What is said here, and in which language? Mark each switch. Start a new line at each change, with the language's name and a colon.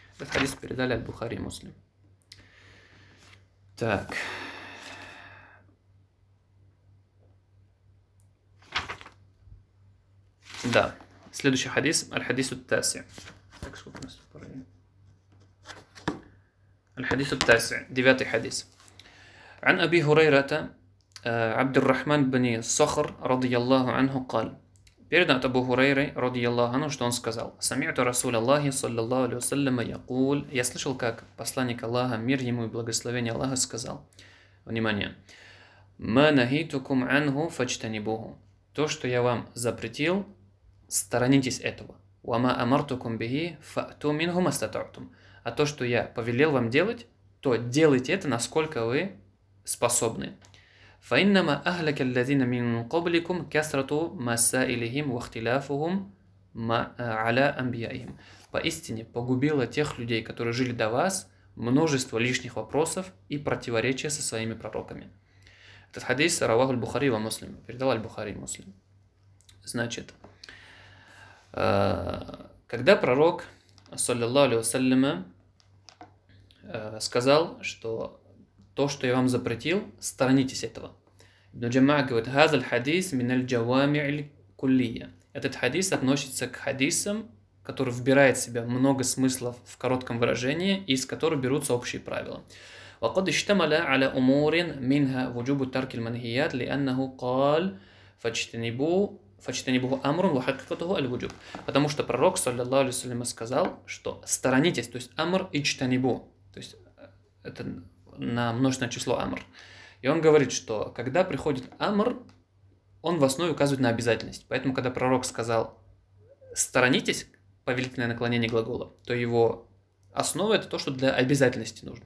Russian: Этот хадис передали Аль-Бухари и Муслим. Так. Да. Следующий хадис. Аль-Хадис ут-Таси. Так, сколько у нас тут пора?
Arabic: الحديث التاسع دفاتي حديث عن أبي هريرة عبد الرحمن بن صخر رضي الله عنه قال بردت أبو هريرة رضي الله عنه
Russian: что он сказал
Arabic: سمعت رسول الله صلى الله عليه وسلم يقول
Russian: я слышал как посланник Аллаха мир ему и благословение Аллаха сказал внимание
Arabic: ما نهيتكم عنه فاجتنبوه
Russian: то что я вам запретил сторонитесь этого
Arabic: وما أمرتكم به فأتوا منه ما استطعتم.
Russian: А то, что я повелел вам делать, то делайте это, насколько вы способны.
Arabic: فَإِنَّمَا أَهْلَكَ الَّذِينَ مِنْ قَبْلِكُمْ كَسْرَةُ مَسَائِلِهِمْ وَاخْتِلَافُهُمْ عَلَىٰ أَنْبِيَائِهِمْ.
Russian: поистине погубило тех людей, которые жили до вас, множество лишних вопросов и противоречия со своими пророками». Этот хадис
Arabic: раваху аль-Бухари ва муслим,
Russian: передал аль-Бухари муслим. Значит, когда пророк, саллиллаху алейхи ва саллям, сказал, что то, что я вам запретил, сторонитесь этого. Ибн Джамаа говорит,
Arabic: «Хаз аль-хадис миналь джавами'иль куллия».
Russian: Этот хадис относится к хадисам, который вбирает в себя много смыслов в коротком выражении, из которых берутся общие правила.
Arabic: وقد اشتمل على أمور منها وجوب ترك المنهيات لأنه قال فاجتنبوه أمر وحقيقته الوجوب.
Russian: Потому что пророк, саллиллаху алейхи ва саллям, сказал, что сторонитесь, то есть амр иджтанибу, то есть это на множественное число амр. И он говорит, что когда приходит амр, он в основе указывает на обязательность. Поэтому, когда пророк сказал сторонитесь, повелительное наклонение глагола, то его основа — это то, что для обязательности нужно.